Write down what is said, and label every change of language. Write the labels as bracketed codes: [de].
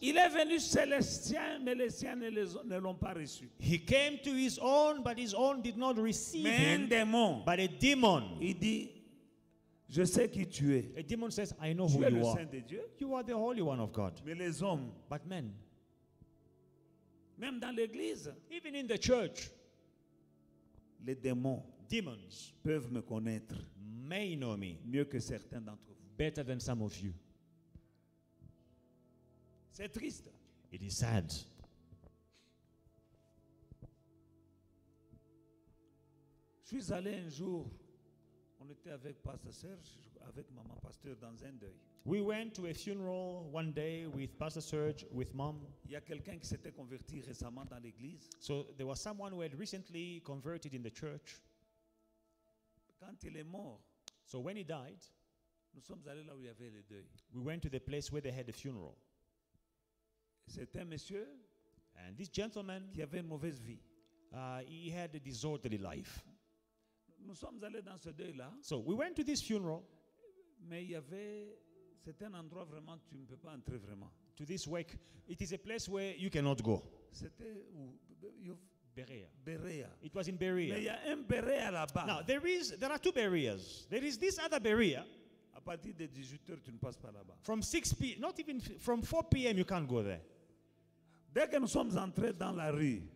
[fr] Il est venu chez les siens, mais les siens ne l'ont pas reçu. [en] He came to his own, but his own did not receive [fr] mais [en] him. [fr] Un démon. [en] But a demon. [fr] Il dit, je sais qui tu es. [en] A demon says, I know [fr] tu [en] who [fr] es [en] you [fr] le [en] are. [fr] Saint de Dieu. [en] You are the Holy One of God. [fr] Mais les hommes. [en] But men. [fr] Même dans l'église. [en] Even in the church. [fr] Les démons. [en] Demons. [fr] Peuvent me connaître. [en] May know me. [fr] Mieux que certains d'entre vous. [en] Better than some of you. [fr] C'est triste. [en] It is sad. [fr] Je suis allé un jour. On était avec Pasteur Serge, avec Maman Pasteur dans un deuil. [en] We went to a funeral one day with Pastor Serge, with Mom. [fr] Il y a quelqu'un qui s'était converti récemment dans l'église. [en] So there was someone who had recently converted in the church. [fr] Quand il est mort. [en] So when he died. [fr] Nous sommes allés là où il y avait le deuil. [en] We went to the place where they had the funeral. [fr] C'était un monsieur. [en] And this gentleman. [fr] Qui avait une mauvaise vie. [en] He had a disorderly life. [fr] Nous sommes allés dans ce deuil là. [en] So we went to this funeral. [fr] Mais il y avait. C'est un endroit vraiment tu ne peux pas entrer vraiment. [en] To this wake, it is a place where you cannot go. [fr] C'était où? Berea. Berea. [en] It was in Berea. [fr] Mais il y a un Berea là-bas. [en] Now there are two Bereas. There is this other Berea. [fr] À partir de 18h, tu ne passes pas là-bas. [en] From 6 p.m., not even from 4 p.m., you can't go there. [fr] Dès que nous sommes entrés dans la rue.